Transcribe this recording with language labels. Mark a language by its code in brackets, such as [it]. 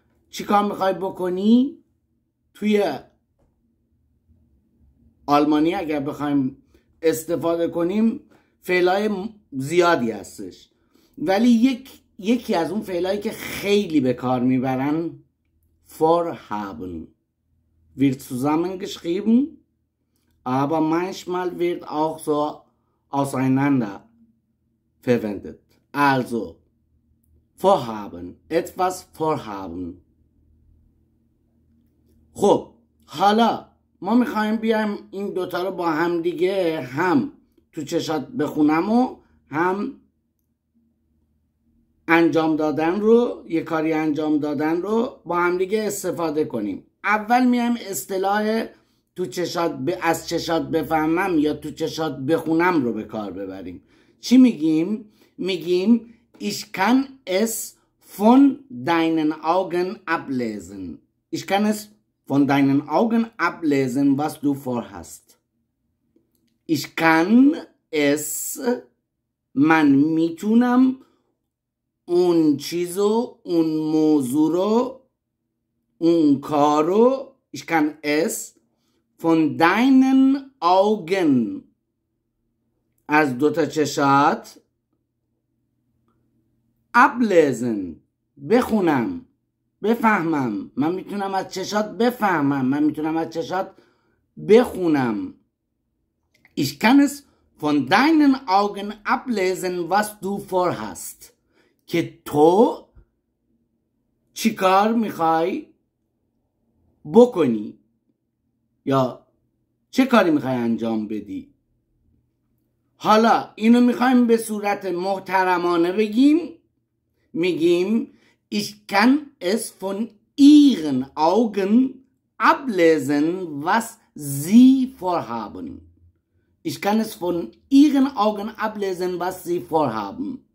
[fa] چی کار میخوای بکنی توی آلمانی اگر بخوایم استفاده کنیم فعلای زیادی هستش، ولی یکی از اون فعلایی که خیلی به کار میبرن فور هابن ویرد زوزامن گشریبن [de] aber manchmal wird auch so auseinander verwendet. Also vorhaben, etwas vorhaben. [fa] خب حالا ما میخوایم بیایم این دوتا رو با هم دیگه هم تو چشات بخونم و هم انجام دادن رو، یه کاری انجام دادن رو با هم دیگه استفاده کنیم. اول میایم اصطلاح تو چشات از چشات بفهمم یا تو چشات بخونم رو به کار ببریم. چی میگیم؟ میگیم [de] ich kann es von deinen Augen ablesen. Ich kann es von deinen Augen ablesen, was du vorhast. Ich kann es, man [fa] میتونم اون چیزو، اون موضوع رو، اون کارو، [de] ich kann es von deinen Augen, [fa] از دوتا چشات [de] ablesen, [fa] بخونم، بفهمم. من میتونم از چشات بفهمم، من میتونم از چشات بخونم. [de] ich kann es von deinen Augen ablesen, was du vorhast, [fa] که تو چی کار میخوای بکنی یا چه کاری میخوای انجام بدی. حالا اینو میخوایم به صورت محترمانه بگیم، میگیم [de] ich kann es von ihren Augen ablesen, was sie vorhaben. Ich kann es von ihren Augen ablesen, was sie vorhaben.